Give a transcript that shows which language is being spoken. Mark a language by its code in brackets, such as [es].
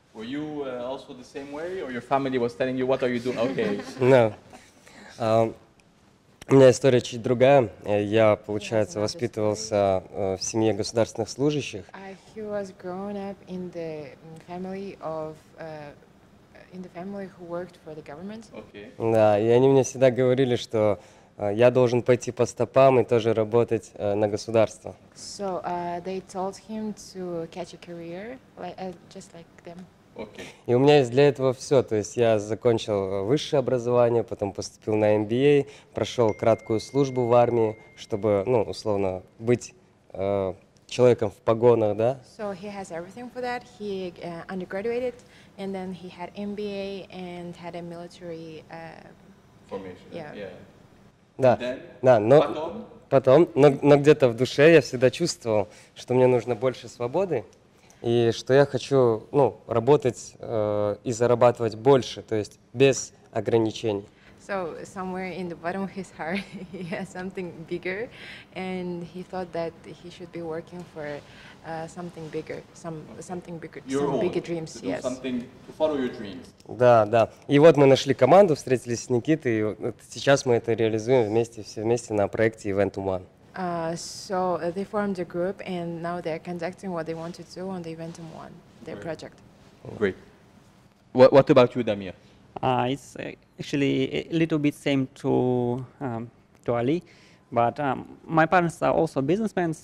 [en] Were you also the same way, or your family was telling you, what are you doing? Okay. No. [ru] У меня история чуть другая. Я, получается, воспитывался в семье государственных служащих. [en] He was grown up in the family of in the family who worked for the government. Okay. [ru] Да, и они мне всегда говорили, что я должен пойти по стопам и тоже работать на государство. [en] So they told him to catch a career like just like them. Okay. [ru] И у меня есть для этого все, то есть я закончил высшее образование, потом поступил на MBA, прошел краткую службу в армии, чтобы, ну, условно, быть человеком в погонах, да? [en] So he has everything for that. He undergraduated, and then he had MBA and had a military formation. Yeah. [ru] Да. Да, но потом, но где-то в душе я всегда чувствовал, что мне нужно больше свободы. И что я хочу, ну, работать и зарабатывать больше, то есть без ограничений. [en] So somewhere in the bottom of his heart he has something bigger, and he thought that he should be working for something bigger, something bigger, your some own, bigger dreams, to yes. Something to follow your dreams. [ru] Да, да. И вот мы нашли команду, встретились с Никитой, и вот сейчас мы это реализуем вместе, все вместе на проекте Event One. [en] So they formed a group, and now they're conducting what they want to do on the event and one their great project. Great. What about you, Damir? It's actually a little bit same to Ali, but my parents are also businessmen.